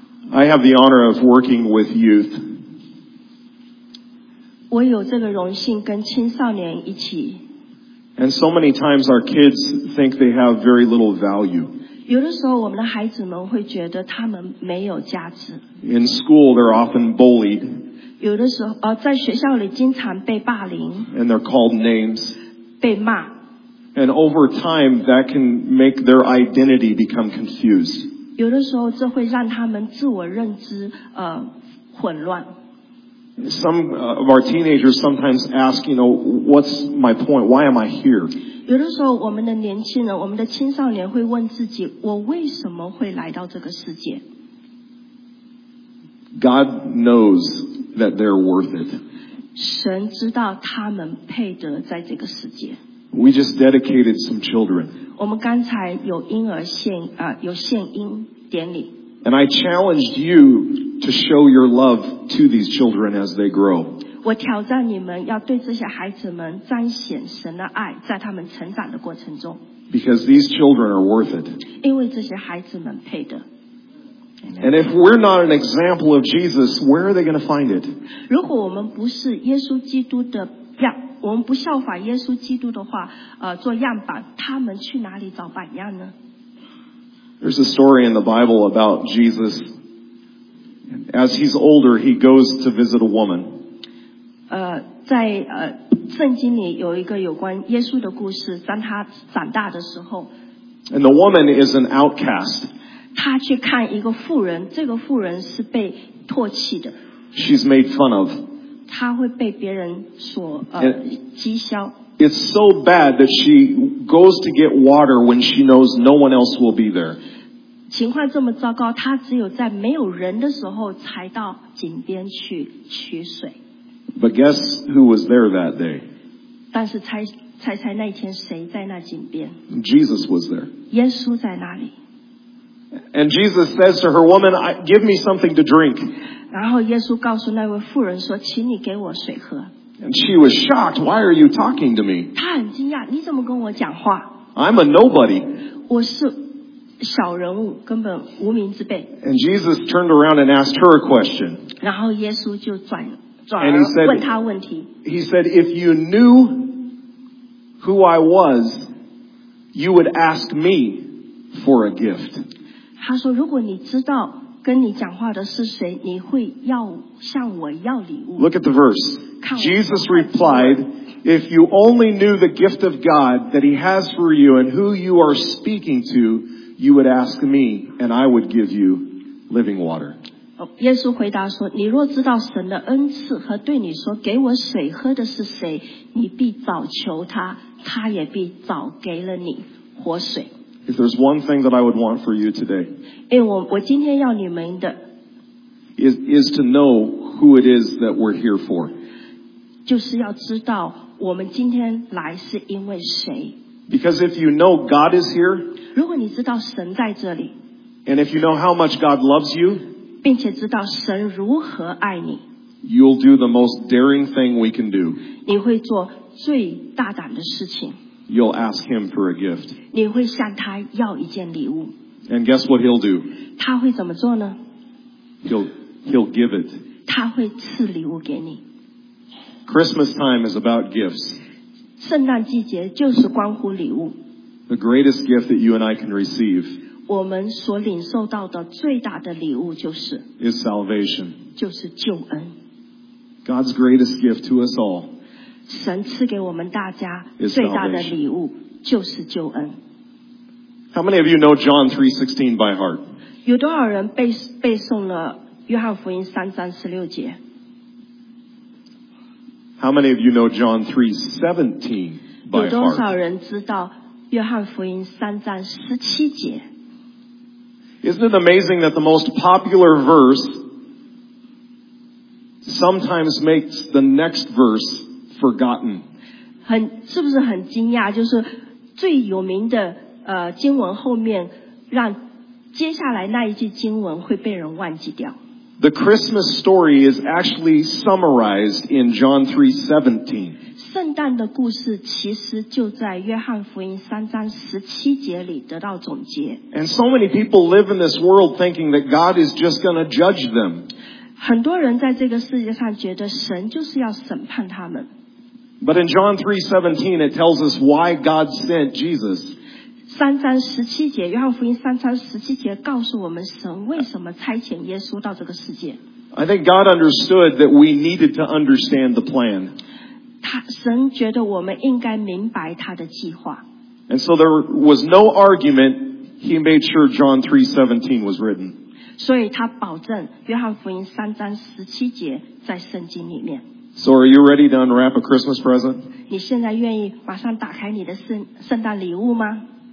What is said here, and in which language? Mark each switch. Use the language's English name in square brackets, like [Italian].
[English] I have the honor of working with youth. [Chinese] 我有这个荣幸跟青少年一起 [English] And so many times our kids think they have very little value. [Chinese] 有的时候我们的孩子们会觉得他们没有价值。 [English] In school, they're often bullied. [Chinese] 有的时候在学校里经常被霸凌。 [English] And they're called names. [Chinese] 被骂。 [English] And over time, that can make their identity become confused. [Chinese] 有的时候这会让他们自我认知混乱。 [English] Some of our teenagers sometimes ask, you know, what's my point? Why am I here? [Chinese] 有的时候我们的年轻人，我们的青少年会问自己，我为什么会来到这个世界？ [English] God knows that they're worth it. [Chinese] 神知道他们配得在这个世界。 [English] We just dedicated some children. [Chinese] 我们刚才有婴儿献有献婴典礼。 [English] And I challenged you to show your love to these children as they grow. [Chinese] 我挑战你们要对这些孩子们彰显神的爱，在他们成长的过程中。 [English] Because these children are worth it. [Chinese] 因为这些孩子们配得。 [English] And if we're not an example of Jesus, where are they going to find it? [Chinese] 如果我们不是耶稣基督的样，我们不效法耶稣基督的话，做样板，他们去哪里找榜样呢？ [English] There's a story in the Bible about Jesus. As he's older, he goes to visit a woman. [Chinese] 在圣经里有一个有关耶稣的故事，当他长大的时候。 [English] And the woman is an outcast. [Chinese] 他去看一个妇人，这个妇人是被唾弃的。 [English] She's made fun of. [Chinese] 他会被别人所讥笑。 [English] It's so bad that she goes to get water when she knows no one else will be there. [Chinese] 情况这么糟糕，她只有在没有人的时候才到井边去取水。 [English] But guess who was there that day? [Chinese] 但是猜那天谁在那井边？ [English] Jesus was there. [Chinese] 耶稣在那里。 [English] And Jesus says to her, "Woman, give me something to drink." [Chinese] 然后耶稣告诉那位妇人说，请你给我水喝。 [English] And she was shocked. Why are you talking to me? [Chinese] 她很惊讶，你怎么跟我讲话？ [English] I'm a nobody. [Chinese] 我是小人物，根本无名之辈。 [English] And Jesus turned around and asked her a question. [Chinese] 然后耶稣就转而问她问题。 [English] He said, "If you knew who I was, you would ask me for a gift." [Chinese] 她说，如果你知道跟你讲话的是谁，你会要向我要礼物。 [English] Look at the verse. Jesus replied, "If you only knew the gift of God that He has for you and who you are speaking to, you would ask me, and I would give you living water." [Chinese] 耶稣回答说，你若知道神的恩赐和对你说给我水喝的是谁，你必早求他，他也必早给了你活水。 [English] If there's one thing that I would want for you today, [Chinese] 因为我今天要你们的 [English] is to know who it is that we're here for. [Chinese] 就是要知道我们今天来是因为谁。 [English] Because if you know God is here, [Chinese] 如果你知道神在这里， [English] and if you know how much God loves you, [Chinese] 并且知道神如何爱你， [English] you'll do the most daring thing we can do. [Chinese] 你会做最大胆的事情。 [English] You'll ask him for a gift. [Chinese] 你会向他要一件礼物。 [English] And guess what he'll do? [Chinese] 他会怎么做呢？ [English] He'll give it. [Chinese] 他会赐礼物给你。 [English] Christmas time is about gifts. [Chinese] 圣诞季节就是关乎礼物。 [English] The greatest gift that you and I can receive. [Chinese] 我们所领受到的最大的礼物就是。 [English] Is salvation. [Chinese] 就是救恩。 [English] God's greatest gift to us all. [Chinese] 神赐给我们大家最大的礼物就是救恩。 [English] How many of you know John 3:16 by heart? [Chinese] 有多少人背诵了约翰福音三章十六节？ [English] How many of you know John 3:17 by heart? [Chinese] 有多少人知道约翰福音三章十七节？ [English] Isn't it amazing that the most popular verse sometimes makes the next verse forgotten. [Chinese] 是不是很惊讶，就是最有名的经文后面让接下来那一句经文会被人忘记掉。 [English] The Christmas story is actually summarized in John 3:17. [Chinese] 圣诞的故事其实就在约翰福音三章十七节里得到总结。 [English] And so many people live in this world thinking that God is just going to judge them. [Chinese] 很多人在这个世界上觉得神就是要审判他们。 [English] But in John 3:17, it tells us why God sent Jesus. [Chinese] 三章十七节，约翰福音三章十七节告诉我们神为什么差遣耶稣到这个世界。 [English] I think God understood that we needed to understand the plan. [Chinese] 神觉得我们应该明白他的计划。 [English] And so there was no argument. He made sure John 3:17 was written. [Chinese] 所以他保证约翰福音三章十七节在圣经里面。 [English] So are you ready to unwrap a Christmas present? [Chinese] 你现在愿意马上打开你的圣诞礼物吗？